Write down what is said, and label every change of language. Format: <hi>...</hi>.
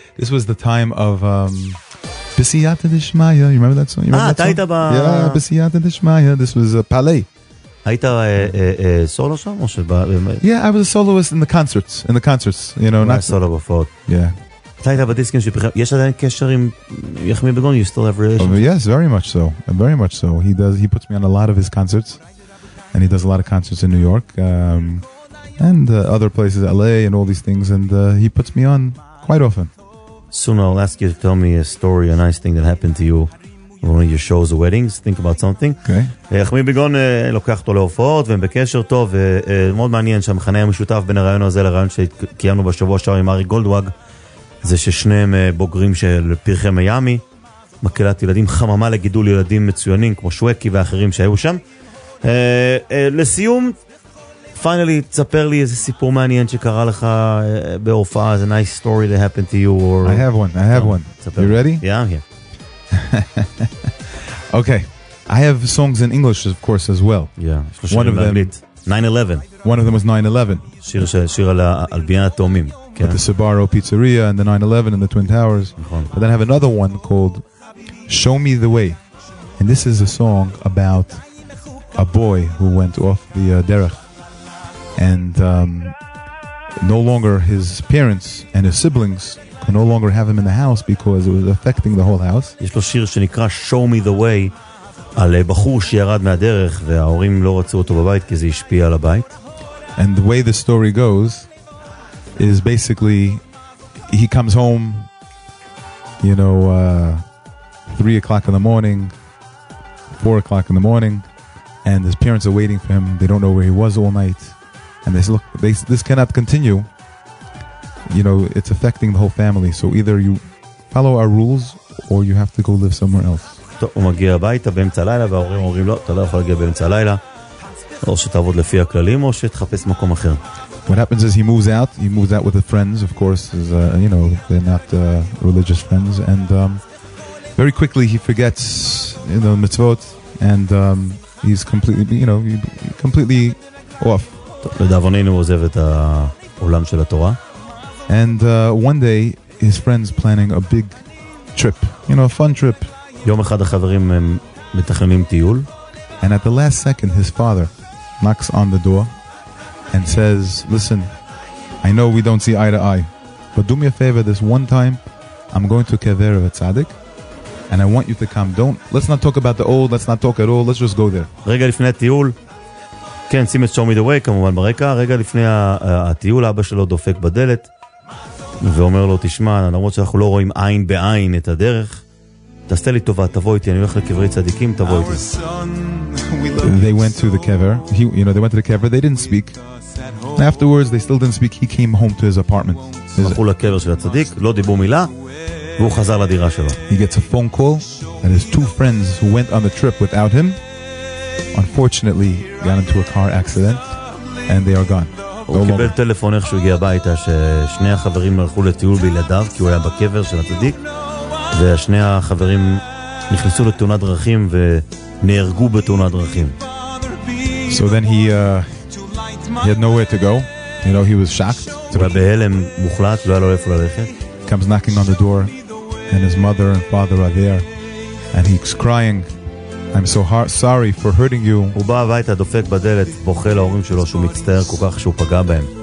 <en>This was the time of Bisiyata Dishmaya. You remember that song? You remember that song? Yeah, Bisiyata Dishmaya. This was Palais.</en> <he>היית סולו שם או שבא?</he> <en>Yeah, I was a soloist in the concerts, you know, not solo בפורט. Yeah.</en> <he>היית בדיסקים שפחים, יש עדיין קשר עם יחמי בגון?</he> <en>You still have relations? Yes, very much so. Very much so. He puts me on a lot of his concerts. And he does a lot of concerts in New York and other places, LA and all these things. And he puts me on quite often. Soon I'll ask you to tell me a story, a nice thing that happened to you in one of your shows or weddings. Think about something. Okay.</en> <he>יחמי ביגון לוקח אותו להופעות והם בקשר טוב. מאוד מעניין שהמחנה המשותף בין הרעיון הזה לרעיון שקיימנו בשבוע שעבר עם ארי גולדווג, זה ששניהם בוגרים של פרחי מיאמי, מקהלת ילדים חממה לגידול ילדים מצוינים כמו שווקי ואחרים שהיו שם. לסיום, finally, תספר לי איזה סיפור מעניין שקרה לך בהופעה.</he> <en>It's a nice story that happened to you. Or... I have one. You ready? Yeah, I'm here. Okay. I have songs in English, of course, as well. Yeah. One of them. 9/11. One of them was 9/11.</en> <he>שיר על בניין התאומים.</he> <en>At the Sbarro Pizzeria and the 9/11 and the Twin Towers. But then I have another one called Show Me the Way. And this is a song about a boy who went off the derech, and no longer his parents and his siblings could no longer have him in the house because it was affecting the whole house.</en> <he>יש לו שיר שנקרא Show Me the Way, על בחור שירד מהדרך וההורים לא רצו אותו בבית כי זה השפיע על הבית.</he> <en>And the way the story goes is basically he comes home, you know, 3 o'clock in the morning, 4 o'clock in the morning, and his parents are waiting for him. They don't know where he was all night, and they say, look, this cannot continue, you know, it's affecting the whole family, so either you follow our rules or you have to go live somewhere else.</en> <he>טוב, הוא מגיע הביתה באמצע הלילה וההורים אומרים לו, אתה לא יכול להגיע באמצע הלילה, או שתעבוד לפי הכללים או שתחפש מקום אחר.</he> <en>What happens is he moves out with the friends, of course, as you know, they're not religious friends, and very quickly he forgets, you know, the mitzvot, and he's completely, you know, completely off.</en> <he>לדאבוננו עוזב את העולם של התורה.</he> <en>And one day his friends planning a big trip, you know, a fun trip.</en> <he>יום אחד החברים הם מתכננים טיול.</he> <en>And at the last second his father knocks on the door and says, listen, I know we don't see eye to eye, but do me a favor this one time, I'm going to kever of a tzaddik, and I want you to come. Let's not talk about the old, let's not talk at all, let's just go there.</en> <he>רגע לפני הטיול, כן, שים את Show Me The Way כמובן ברקע. רגע לפני הטיול, אבא שלו דופק בדלת ואומר לו, תשמע, למרות שאנחנו לא רואים עין בעין את הדרך, תעשה לי טובה, תבוא איתי, אני הולך לקברי צדיקים, תבוא איתי.</he> <en>They went to the kever. They went to the kever. They didn't speak. Afterwards, they still didn't speak. He came home to his apartment.</en> <he>הלכו לקבר של הצדיק, לא דיברו מילה, והוא חזר לדירה שלו.</he> <en>He gets a phone call, and his two friends who went on the trip without him, unfortunately, got into a car accident, and they are gone.</en> <he>הוא קיבל טלפון איך שהוא הגיע הביתה, ששני החברים הלכו לטיול בלעדיו, כי הוא היה בקבר של הצדיק, ושני החברים נכנסו לתאונת דרכים ו... נהרגו בתאונת דרכים.</he> <en>So then he had nowhere to go. You know, he was shocked.</en> <he>הוא היה בהלם מוחלט, לא היה לו איפה ללכת.</he> <en>Comes knocking on the door, and his mother and father are there, and he's crying, I'm so sorry for hurting you.</en> <he>הוא בא הביתה, דופק בדלת, בוכה להורים שלו שהוא מצטער כל כך שהוא פגע בהם.</he>